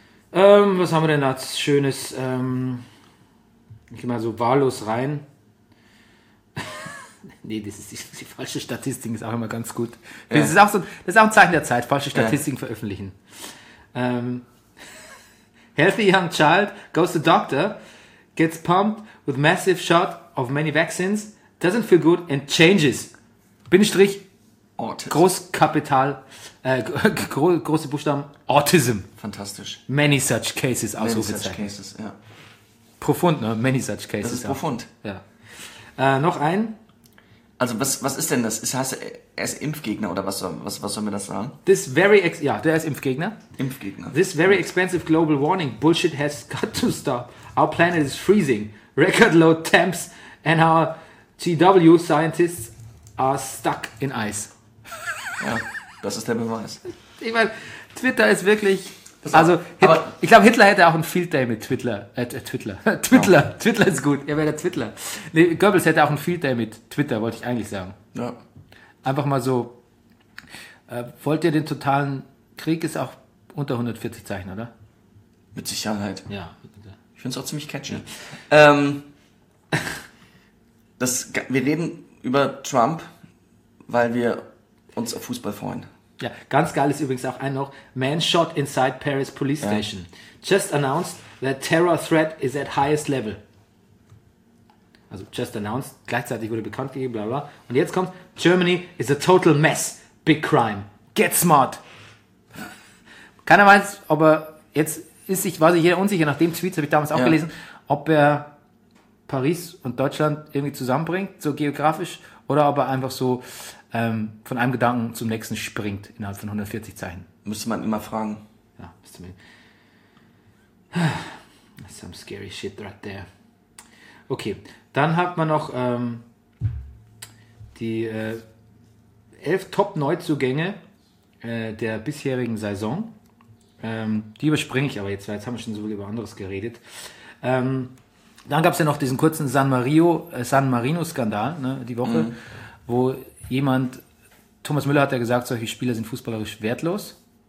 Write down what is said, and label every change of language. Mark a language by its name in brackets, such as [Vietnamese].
[German] Was haben wir denn da Schönes? Ich gehe mal so wahllos rein. Nee, das ist die falsche Statistik, ist auch immer ganz gut. Ja. Das ist auch ein Zeichen der Zeit, falsche Statistiken veröffentlichen. [English] Healthy young child goes to doctor, gets pumped with massive shot of many vaccines, doesn't feel good and changes. / Autism. [German] Großkapital, große Buchstaben, Autism. Fantastisch. [English] Many such cases, [German] Ausrufezeichen. [English] Many such cases, [German] ja. Profund, ne? [English] Many such cases. [German] Das ist profund. Ja. Noch ein. Also was ist denn das? Heißt, er ist Impfgegner oder was soll mir das sagen? Der ist Impfgegner. Impfgegner. [English] This very expensive global warning bullshit has got to stop. Our planet is freezing. Record low temps and our GW scientists are stuck in ice. [German] Ja, das ist der Beweis. Ich meine, Twitter ist wirklich... ich glaube, Hitler hätte auch ein Field Day mit Twitter. Twitter. Ja. Twitter ist gut. Er wäre der Twitter. Nee, Goebbels hätte auch ein Field Day mit Twitter, wollte ich eigentlich sagen. Ja. Einfach mal so. Wollt ihr den totalen Krieg? Ist auch unter 140 Zeichen, oder? Mit Sicherheit. Ja. Ich finde es auch ziemlich catchy. Ja. Wir reden über Trump, weil wir uns auf Fußball freuen. Ja, ganz geil ist übrigens auch ein noch. [English] Man shot inside Paris police station. Ja. Just announced that terror threat is at highest level. [German] Also [English] just announced, [German] gleichzeitig wurde bekannt gegeben, bla bla. Und jetzt kommt, [English] Germany is a total mess. Big crime. Get smart. [German] Keiner weiß, ob er, jetzt ist sich, war sich jeder unsicher, nach dem Tweet, habe ich damals auch gelesen, ob er Paris und Deutschland irgendwie zusammenbringt, so geografisch, oder ob er einfach so von einem Gedanken zum nächsten springt innerhalb von 140 Zeichen. Müsste man immer fragen. Ja, müsste man. [English] That's some scary shit right there. [German] Okay, dann hat man noch die 11 Top-Neuzugänge der bisherigen Saison. Die überspringe ich aber jetzt, weil jetzt haben wir schon so viel über anderes geredet. Dann gab es ja noch diesen kurzen San Marino-Skandal, ne, die Woche, wo jemand, Thomas Müller hat ja gesagt, solche Spieler sind fußballerisch wertlos.